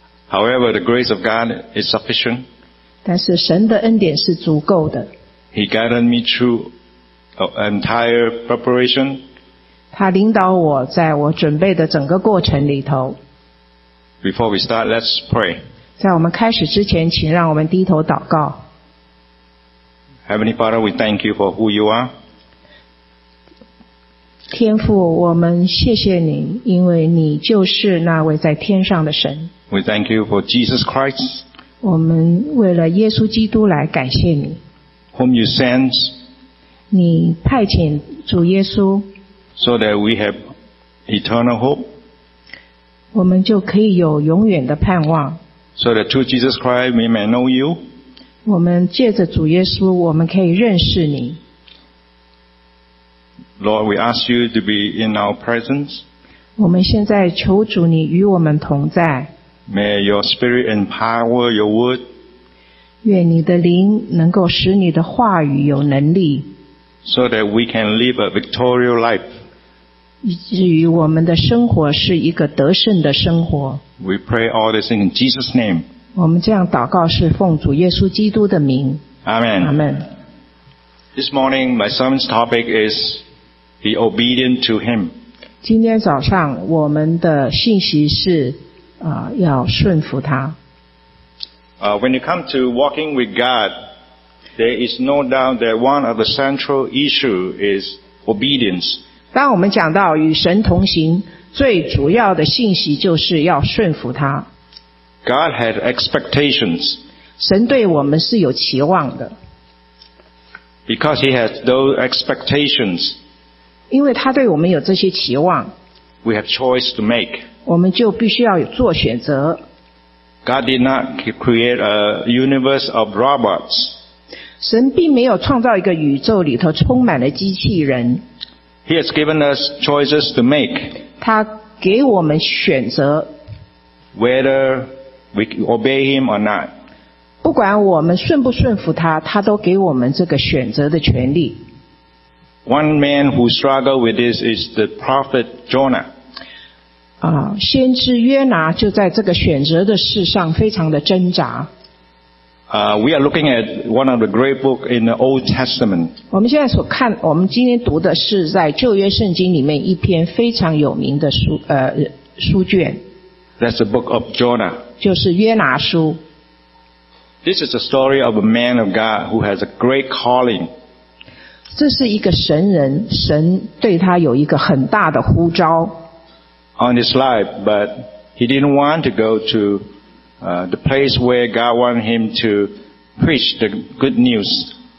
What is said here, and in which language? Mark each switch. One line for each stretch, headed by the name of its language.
English: However, the grace of God is sufficient.
Chinese: 但是神的恩典是足够的。
English: He guided me through an entire preparation.
Chinese: 他领导我在我准备的整个过程里头。
English: Before we start, let's pray.
Chinese: 在我们开始之前，请让我们低头祷告。
English: Heavenly Father, we thank you for who you are.
Chinese: 天父，我们谢谢你，因为你就是那位在天上的神。
English: We thank you for Jesus Christ.
Chinese: 我们为了耶稣基督来感谢你。
English: Whom you sent.
Chinese: 你派遣主耶稣。
English: So that we have eternal hope.
Chinese: 我们就可以有永远的盼望。
English: So that through Jesus Christ we may know you.
Chinese: 我们借着主耶稣我们可以认识你。
English: Lord, we ask you to be in our presence.
Chinese: 我们现在求主你与我们同在。
English: May your spirit empower your word.
Chinese: 愿你的灵能够使你的话语有能力。
English: So that we can live a victorious life.
Chinese: 以至于我们的生活是一个得胜的生活。
English: We pray all this in Jesus' name.
Chinese: 我们这样祷告是奉主耶稣基督的名。
English: Amen. Amen. This morning, my sermon's topic is be obedient to him.
Chinese: 今天早上我们的信息是要顺服他。
English: When you come to walking with God, there is no doubt that one of the central issues is obedience.
Chinese: 当我们讲到与神同行，最主要的信息就是要顺服他。
English: God had expectations.
Chinese: 神对我们是有期望的。
English: Because he has those expectations.
Chinese: 因为他对我们有这些期望。
English: We have choice to make.
Chinese: 我们就必须要有做选择。
English: God did not create a universe of robots.
Chinese: 神并没有创造一个宇宙里头充满了机器人。
English: He has given us choices to make.
Chinese: 他给我们选择。
English: Whether we obey him or not.
Chinese: 不管我们顺不顺服他，他都给我们这个选择的权利。
English: One man who struggled with this is the prophet Jonah.
Chinese: 先知约拿就在这个选择的事上非常的挣扎。
English: We are looking at one of the great books in the Old Testament.
Chinese: 我们现在所看，我们今天读的是在旧约圣经里面一篇非常有名的书卷。
English: That's the book of Jonah.
Chinese: 就是约拿书。
English: This is the story of a man of God who has a great calling.
Chinese: 这是一个神人，神对他有一个很大的呼召。
English: On his life, but he didn't want to go to the place where God wanted him to preach the good news.